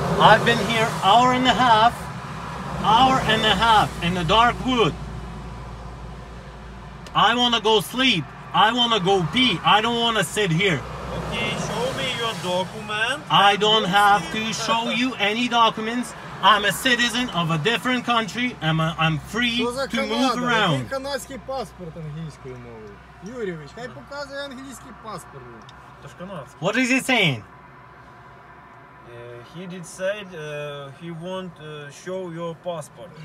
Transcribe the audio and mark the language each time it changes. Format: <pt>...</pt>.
<en>I've been here hour and a half in the dark wood. I want to go sleep. I want to go pee. I don't want to sit here. Окей, okay, show me your document. I don't have to show you any documents. I'm a citizen of a different country, and I'm free to move around.</en> <uk>Що за Канада? Який канадський паспорт англійською мовою? Юрійович, хай показує англійський паспорт. Це ж канадський.</uk> <en>What is he saying? He did say he won't show your passport.</en>